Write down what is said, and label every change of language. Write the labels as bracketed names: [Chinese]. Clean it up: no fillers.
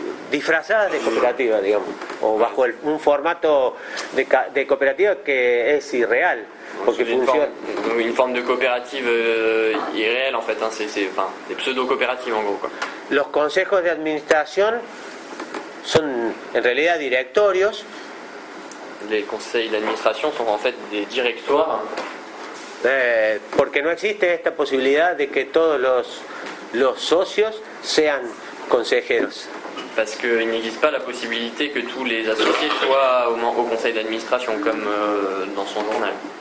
[Spanish] disfrazadas de cooperativa, digamos, o bajo el, un formato de cooperativa que es irreal, porque funciona [French] une forme de coopérative irréelle en fait, hein, c'est enfin des pseudo coopératives en gros quoi. [Spanish] Los consejos de administración son en realidad directorios. [French] Les conseils d'administration sont en fait des directoires. [Spanish] Porque no existe esta posibilidad de que todos los socios sean consejeros. [French] Parce qu'il n'existe pas la possibilité que tous les associés soient au membres au conseil d'administration comme dans son journal.